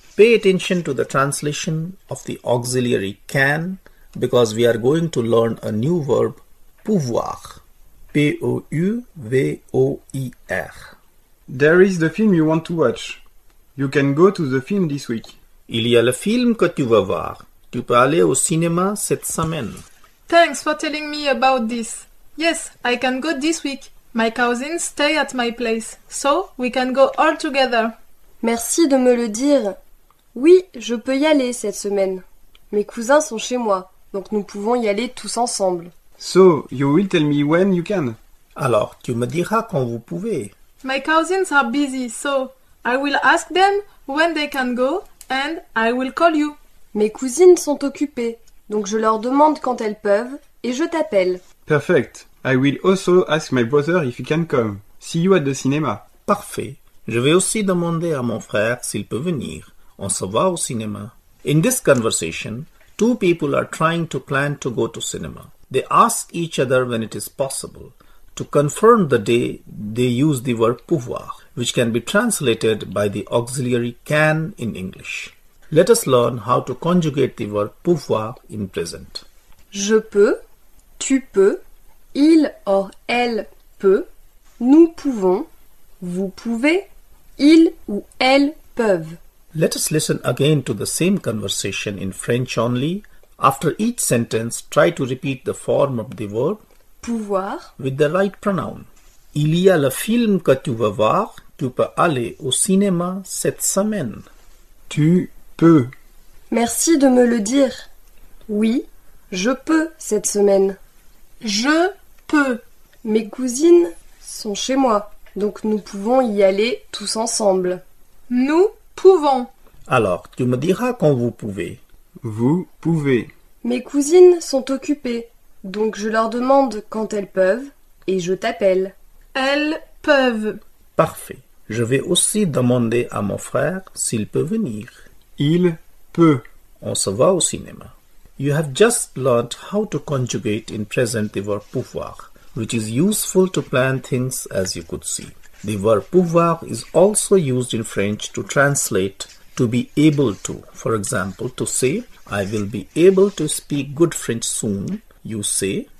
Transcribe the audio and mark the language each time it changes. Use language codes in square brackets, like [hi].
[en] Pay attention to the translation of the auxiliary can because we are going to learn a new verb, pouvoir. P-O-U-V-O-I-R. There is the film you want to watch. You can go to the film this week. [fr] Il y a le film que tu veux voir. Tu peux aller au cinéma cette semaine. [en] Thanks for telling me about this. Yes, I can go this week. My cousins stay at my place, so we can go all together. [fr] Merci de me le dire. Oui, je peux y aller cette semaine. Mes cousins sont chez moi, donc nous pouvons y aller tous ensemble. [en] So, you will tell me when you can. [fr] Alors, tu me diras quand vous pouvez. [en] My cousins are busy, so I will ask them when they can go and I will call you. [fr] Mes cousines sont occupées, donc je leur demande quand elles peuvent et je t'appelle. [en] Perfect. I will also ask my brother if he can come. See you at the cinema. [fr] Parfait. Je vais aussi demander à mon frère s'il peut venir. On se voit au cinéma. [en] In this conversation, two people are trying to plan to go to cinema. They ask each other when it is possible. To confirm the day, they use the verb pouvoir, which can be translated by the auxiliary can in English. Let us learn how to conjugate the verb pouvoir in present. [fr] Je peux, tu peux. Il or elle peut, nous pouvons, vous pouvez, il ou elle peuvent. [en] Let us listen again to the same conversation in French only. After each sentence, try to repeat the form of the verb pouvoir with the right pronoun. [fr] Il y a le film que tu veux voir, tu peux aller au cinéma cette semaine. Tu peux. Merci de me le dire. Oui, je peux cette semaine. Je peux. Mes cousines sont chez moi, donc nous pouvons y aller tous ensemble. Nous pouvons. Alors, tu me diras quand vous pouvez. Vous pouvez. Mes cousines sont occupées, donc je leur demande quand elles peuvent et je t'appelle. Elles peuvent. Parfait. Je vais aussi demander à mon frère s'il peut venir. Il peut. On se voit au cinéma. [en] You have just learned how to conjugate in present the verb pouvoir, which is useful to plan things as you could see. The verb pouvoir is also used in French to translate to be able to. For example, to say, I will be able to speak good French soon, you say,